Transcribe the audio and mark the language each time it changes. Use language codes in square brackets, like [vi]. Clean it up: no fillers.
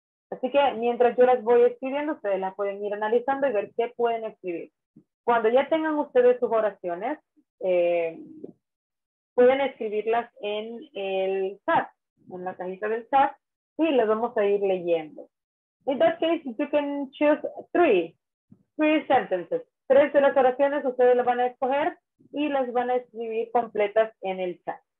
[es] Así que mientras yo las voy escribiendo, ustedes las pueden ir analizando y ver qué pueden escribir. Cuando ya tengan ustedes sus oraciones, pueden escribirlas en el chat, en la cajita del chat, y las vamos a ir leyendo. [en] In that case, you can choose three sentences. [es] Tres de las oraciones ustedes las van a escoger y las van a escribir completas en el chat.